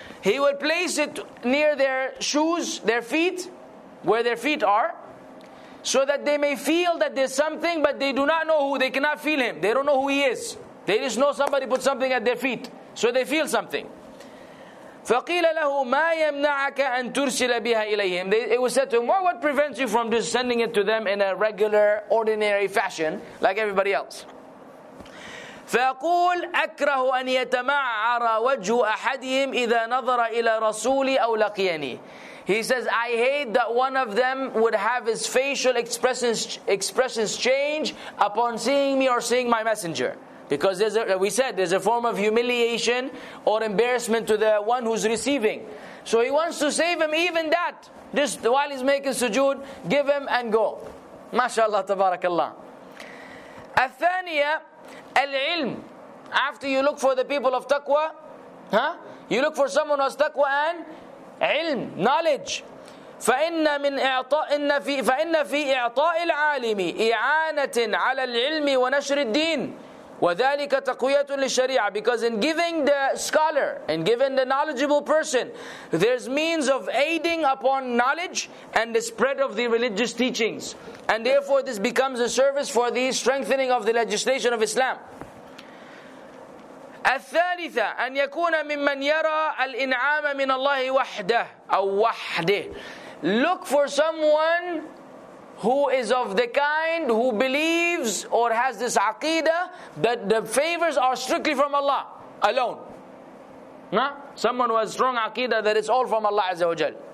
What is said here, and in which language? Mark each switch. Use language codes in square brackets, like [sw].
[en] He will place it near their shoes, their feet, where their feet are, so that they may feel that there's something, but they do not know who, they cannot feel him. They don't know who he is. They just know somebody put something at their feet, so they feel something. [ar] فَقِيلَ لَهُ مَا يَمْنَعَكَ أَن تُرْسِلَ بِهَا إِلَيْهِمْ. [en] It was said to him, what prevents you from just sending it to them in a regular, ordinary fashion, like everybody else? [ar] فيقول أكره أن يتمعر وجه أحدهم إذا نظر إلى رسولي أو لقيني. [en] He says, I hate that one of them would have his facial expressions change upon seeing me or seeing my messenger. Because there's a form of humiliation or embarrassment to the one who's receiving. So he wants to save him even that. Just while he's making sujood, give him and go. [ar] MashaAllah, tabarakAllah. الثانية العلم. [en] After you look for the people of taqwa, huh? You look for someone who has taqwa and ilm, knowledge. [ar] فإن في إعطاء العالم إعانة على العلم ونشر الدين وذلك تقوية للشريعة. [en] Because in giving the scholar, in giving the knowledgeable person, there's means of aiding upon knowledge and the spread of the religious teachings. And therefore this becomes a service for the strengthening of the legislation of Islam. [ar] الثالثة أن يكون ممن يرى الإنعام من الله وحده أو وحده. [en] Look for someone who is of the kind who believes or has this aqidah that the favors are strictly from Allah alone. Huh? Someone who has strong aqidah that it's all from Allah [ar] Azza wa Jal.